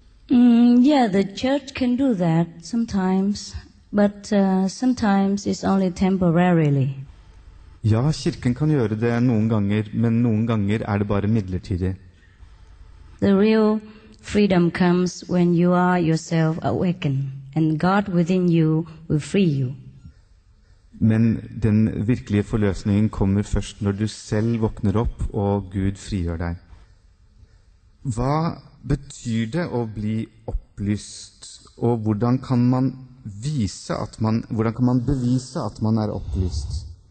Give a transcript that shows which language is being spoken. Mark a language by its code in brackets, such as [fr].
[en] Yeah, the church can do that sometimes, but sometimes it's only temporarily. [no] Ja, kirken kan gjøre det noen ganger, men noen ganger er det bare midlertidig. [en] The real freedom comes when you are yourself awakened, and God within you will free you. [no] Men den virkelige forløsningen kommer først når du selv våkner opp og Gud frigjør deg. Hva betyr det å bli opplyst, og hvordan kan man bevise at man er opplyst?